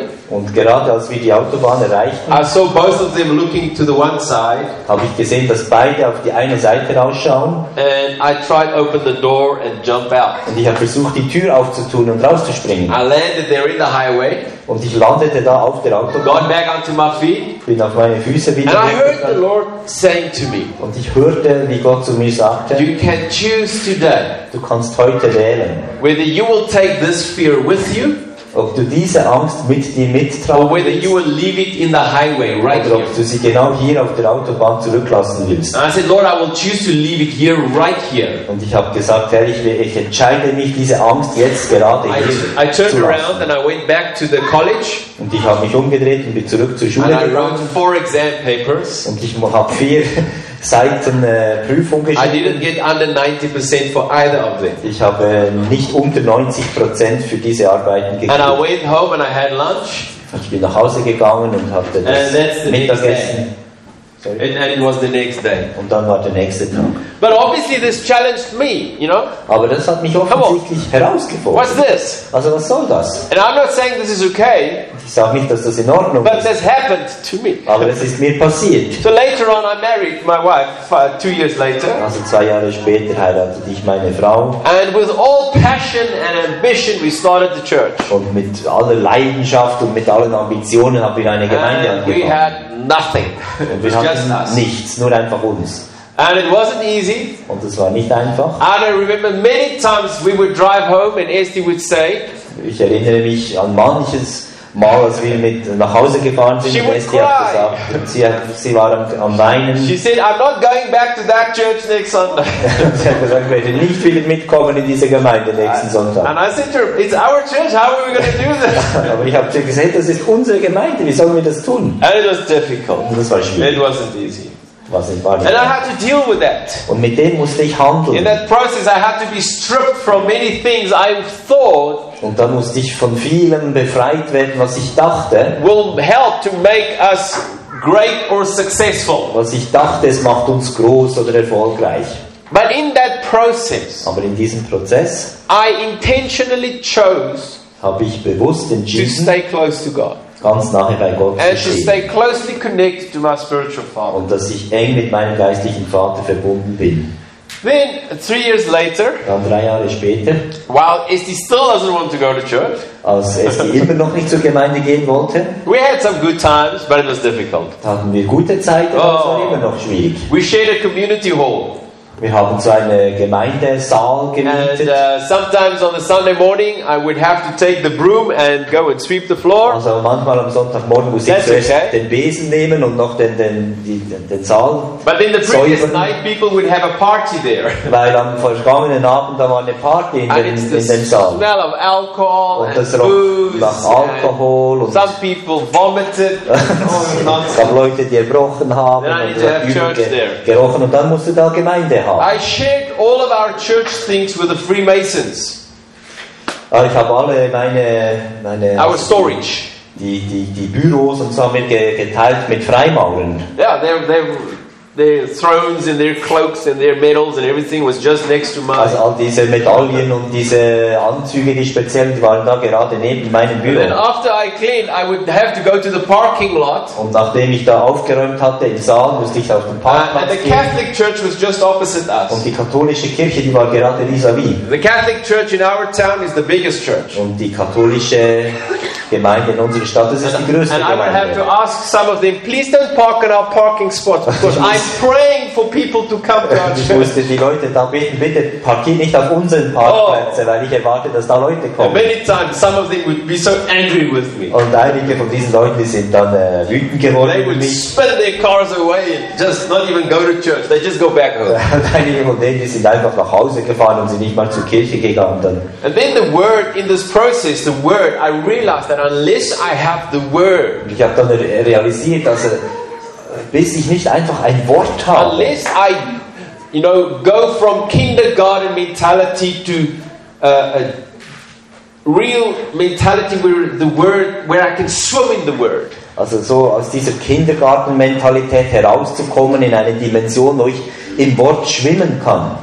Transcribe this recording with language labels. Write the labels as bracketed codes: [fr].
[de] Und gerade als wir die Autobahn erreichten, habe ich gesehen, dass beide auf die eine Seite rausschauen. [en] And I tried open the door and jump out. [de] Und ich habe versucht, die Tür aufzutun und rauszuspringen. [en] I landed there in the highway. [de] Und ich landete da auf der Autobahn. [en] Got back onto my feet. [de] Bin auf meine Füße wieder [en] and I heard the Lord saying to me, [de] und ich hörte, wie Gott zu mir sagte, [en] you can choose today, [de] du kannst heute wählen, [en] whether you will take this fear with you, [de] ob du diese Angst mit dir mittragen willst, [en] whether you will leave it in the highway right here, [de] oder ob du sie genau hier auf der Autobahn zurücklassen willst. [en] And I said, Lord, I will choose to leave it here, right here. [de] Und ich habe gesagt, Herr, ich entscheide mich, diese Angst jetzt gerade hier [en] I turned around and I went back to the college. [de] Und ich habe mich umgedreht und bin zurück zur Schule [en] and I wrote four exam papers. [de] Und ich habe vier Seiten Prüfung geschrieben. [en] I didn't get under 90% for either of them. [de] Ich habe nicht unter 90% für diese Arbeiten gekriegt. [en] And I went home and I had lunch. [de] Ich bin nach Hause gegangen und hatte das Mittagessen. [en] And it was the next day. [de] Und dann war der nächste Tag. [en] But obviously this challenged me, you know? [de] Aber das hat mich offensichtlich herausgefordert. [en] What's this? [de] Also was soll das? [en] And I'm not saying this is okay. [de] Ich sage nicht, dass das in Ordnung [en] but [de] ist. [en] But this happened to me. [de] Aber es ist mir passiert. [en] So later on I married my wife, 2 years later. [de] Also 2 Jahre später heiratete ich meine Frau. [en] And with all passion and ambition we started the church. [de] Und mit aller Leidenschaft und mit allen Ambitionen haben wir eine Gemeinde [en] and [de] angefangen. [en] We had nothing. [de] Und wir hatten nichts, nur einfach uns. [en] And it wasn't easy. [de] Und es war nicht einfach. [en] And I remember many times we would drive home and Esti would say, [de] ich erinnere mich an manches Mal, als wir mit nach Hause gefahren sind, und Esti hat gesagt, sie war am Weinen. [en] She said, I'm not going back to that church next Sunday. [de] Sie hat gesagt, ich werde nicht wieder mitkommen in diese Gemeinde nächsten Sonntag. [en] And I said to her, it's our church, how are we going to do this? [de] Aber ich habe gesagt, das ist unsere Gemeinde, wie sollen wir das tun? [en] And it was difficult. [de] Und das war schwierig. [en] It wasn't easy. And I had to deal with that. [de] Und mit dem musste ich handeln. [en] In that process I had to be stripped from many things I thought. [de] Und dann musste ich von vielem befreit werden, was ich dachte. [en] Will help to make us great or successful. [de] Was ich dachte, es macht uns groß oder erfolgreich. [en] But in that process. [de] Aber in diesem Prozess. [en] I intentionally chose. [de] Habe ich bewusst entschieden. [en] To stay close to God. [de] Ganz nahe bei Gott [en] and to stay closely connected to my spiritual father. [de] Und dass ich eng mit meinem geistlichen Vater verbunden bin. [en] Then 3 years later. [de] Dann 3 Jahre später. [en] While Esti still doesn't want to go to church. [de] Als Esti immer noch nicht zur Gemeinde gehen wollte. [en] We had some good times, but it was difficult. [de] Hatten wir gute Zeiten, aber es war immer noch schwierig. [en] We shared a community hall. [de] Wir haben so eine Gemeindesaal gemietet. [en] And sometimes on the Sunday morning I would have to take the broom and go and sweep the floor. [de] Also manchmal am Sonntagmorgen muss [en] that's [de] ich zuerst [en] okay. [de] den Besen nehmen und noch den Saal. [en] But then the previous night people would have a party there. [de] Weil am vergangenen Abend da war eine Party in dem Saal. [en] And the smell of alcohol [de] und das [en] and booze [de] nach Alkohol [en] and [de] und [en] some people vomited. [de] Es gab Leute, die erbrochen haben [en] then [de] und [en] I need to have church there. [de] Gerochen und dann musste da Gemeinde. [en] I shared all of our church things with the Freemasons. [de] Ich habe alle meine [en] our storage. [de] Die Büros und so mit geteilt mit Freimaurern. [en] Yeah, their thrones and their cloaks and their medals and everything was just next to mine. [de] Also all diese Medaillen und diese Anzüge, die speziell waren, da gerade neben meinem Büro. [en] And after I cleaned, I would have to go to the parking lot. [de] Und nachdem ich da aufgeräumt hatte im Saal, musste ich auf den Parkplatz gehen. [en] And the Catholic Church was just opposite us. [de] Und die katholische Kirche, die war gerade vis-à-vis. [en] The Catholic Church in our town is the biggest church. [de] Und die katholische Gemeinde in unserer Stadt, das ist die größte Gemeinde. [en] And I would have to ask some of them, please don't park in our parking spot, because I'm praying for people to come to our church. [de] Ich musste die Leute da bitten, bitte parkier nicht auf unseren Parkplätzen, weil ich erwarte, dass da Leute kommen. [en] And many times some of them would be so angry with me. [de] Und einige von diesen Leuten, die sind dann wütend geworden. [en] They would spin their cars away and just not even go to church. They just go back home. [de] Und einige von denen, die sind einfach nach Hause gefahren und sind nicht mal zur Kirche gegangen. Dann. [en] And then the word in this process, the word, I realized that unless I have the word. [de] Ich habe dann realisiert, dass bis ich nicht einfach ein Wort habe. [en] Unless I you know, go from kindergarten mentality to a real mentality where the word, where I can swim in the word. [de] Also so aus dieser Kindergartenmentalität herauszukommen in eine Dimension, wo ich im Wort schwimmen kann.